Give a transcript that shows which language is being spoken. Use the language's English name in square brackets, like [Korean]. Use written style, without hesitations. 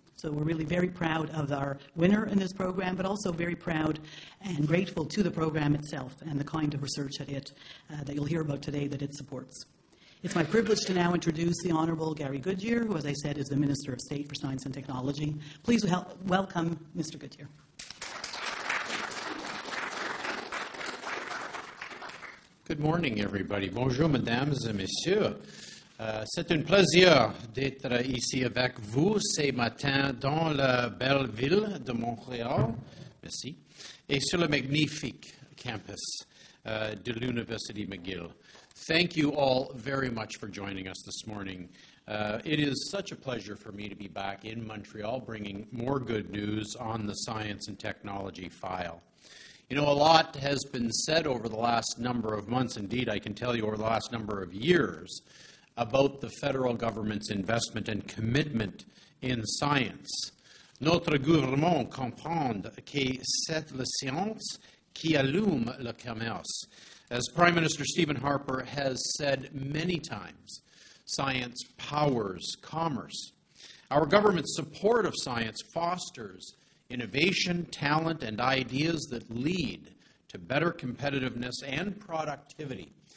[English] So we're really very proud of our winner in this program, but also very proud and grateful to the program itself and the kind of research that that you'll hear about today that it supports. It's my privilege to now introduce the Honorable Gary Goodyear, who, as I said, is the Minister of State for Science and Technology. Please welcome Mr. Goodyear. Good morning, everybody. [French] Bonjour, mesdames et messieurs. C'est un plaisir d'être ici avec vous ce matin dans la belle ville de Montréal, merci, et sur le magnifique campus de l'Université McGill. [English] Thank you all very much for joining us this morning. It is such a pleasure for me to be back in Montreal bringing more good news on the science and technology file. You know, a lot has been said over the last number of months, indeed I can tell you over the last number of years, about the federal government's investment and commitment in science. [French] Notre gouvernement comprend que c'est la science qui allume le commerce. [English] As Prime Minister Stephen Harper has said many times, science powers commerce. Our government's support of science fosters innovation, talent, and ideas that lead to better competitiveness and productivity.